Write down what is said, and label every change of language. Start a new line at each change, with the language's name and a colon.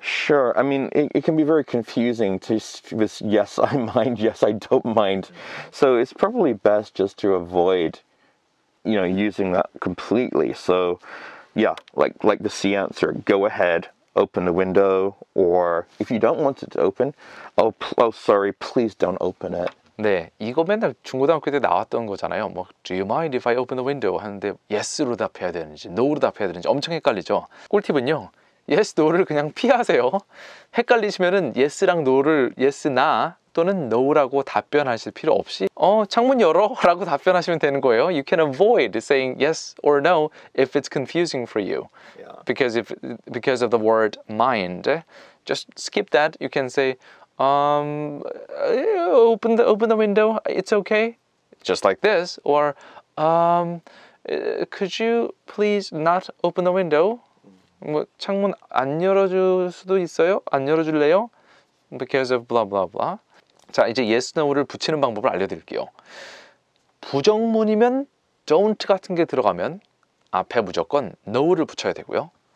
English: Sure, I mean, it can be very confusing to this yes, I mind, yes, I don't mind. So it's probably best just to avoid, you know, using that completely. So, yeah, like the C answer, go ahead, open the window, or if you don't want it to open, sorry, please don't open it.
Korean: 네, 이거 맨날 중고등학교 때 나왔던 거잖아요.
English: 뭐, Do you mind if I open the window?
Korean: 하는데 yes로 답해야 되는지 no로 답해야 되는지 엄청 헷갈리죠. 꿀팁은요, yes, no를 그냥 피하세요. 헷갈리시면은 yes랑 no를 yes, 나 또는 no라고 답변하실 필요 없이 창문 열어 라고 답변하시면 되는 거예요.
English: You can avoid saying yes or no if it's confusing for you. Because of the word mind, just skip that. You can say open the window, it's okay, just like this, or could you please not open the window?
Korean: 뭐 창문 안 열어줄 수도 있어요? 안 열어줄래요?
English: Because of blah blah blah.
Korean: 자, 이제 yes no를 붙이는 방법을 알려드릴게요. 부정문이면 don't 같은 게 들어가면 앞에 무조건 no를 붙여야 되고요.